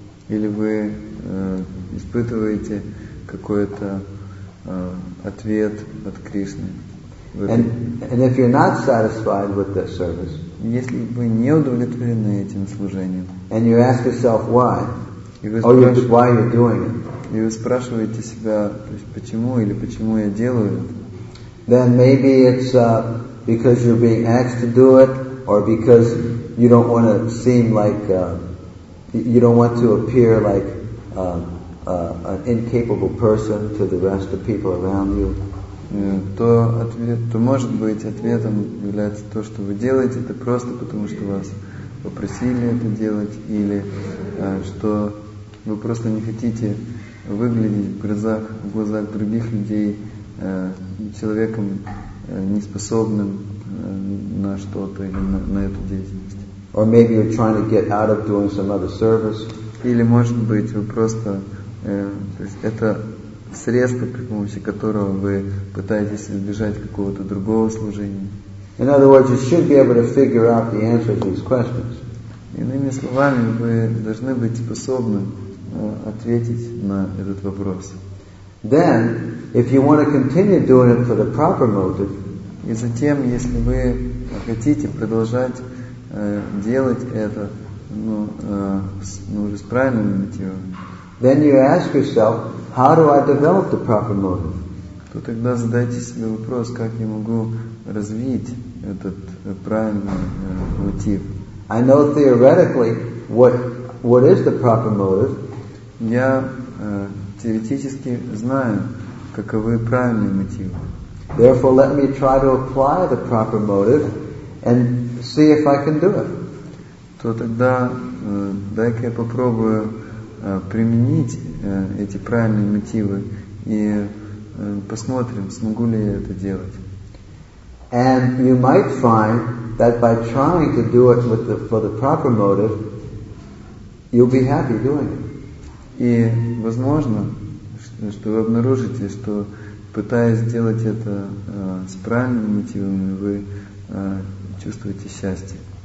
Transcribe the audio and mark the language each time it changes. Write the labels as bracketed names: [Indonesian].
[Russian] Или вы испытываете какой-то ответ от Кришны. [English] And if you're not satisfied with this service, [Russian] если вы не удовлетворены этим служением, [English] and you ask yourself why, why you're doing it, [Russian] и вы спрашиваете себя, то есть почему или почему я делаю это, [English] then maybe it's because you're being asked to do it, or because you don't want to seem like you don't want to appear like an incapable person to the rest of people around you. [Russian] То может быть ответом является то, что вы делаете это просто потому, что вас попросили это делать, или что вы просто не хотите выглядеть в глазах других людей человеком неспособным на что-то или на эту деятельность. [English] Or maybe you're trying to get out of doing some other service. [Russian] Или может быть вы просто то есть это средство, при помощи которого вы пытаетесь избежать какого-то другого служения. [English] In other words, you should be able to figure out the answers to these questions. [Russian] Иными словами, вы должны быть способны ответить на этот вопрос. [English] Then, if you want to continue doing it for the proper motive, [Russian] и затем, если вы хотите продолжать делать это, ну, ну уже с правильным мотивом, [English] then you ask yourself, how do I develop the proper motive? [Russian] То тогда задайте себе вопрос, как я могу развить этот правильный мотив. [English] I know theoretically what is the proper motive. [Russian] Я теоретически знаю, каковы правильные мотивы. [English] Therefore, let me try to apply the proper motive and see if I can do it. [Russian] То тогда дай-ка я попробую применить эти правильные мотивы и посмотрим, смогу ли я это делать. [English] And you might find that by trying to do it with the, for the proper motive, you'll be happy doing it. [Russian] И возможно, что вы обнаружите, что пытаясь сделать это с правильными мотивами, вы чувствуете счастье.